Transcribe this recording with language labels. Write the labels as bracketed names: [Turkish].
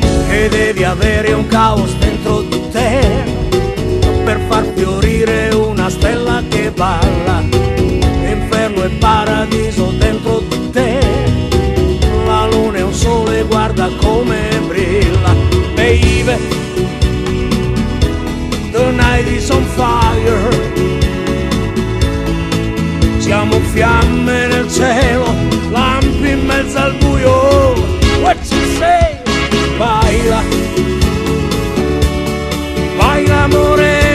[Italian] E devi avere un caos dentro di te per far fiorire una stella che balla. Inferno e paradiso dentro di te. La luna è un sole, guarda come brilla. [English] Baby, the night is on fire. [Italian] Siamo fiamme nel cielo, lampi in mezzo al buio. [English] What you say? [Spanish] Baila, baila amore.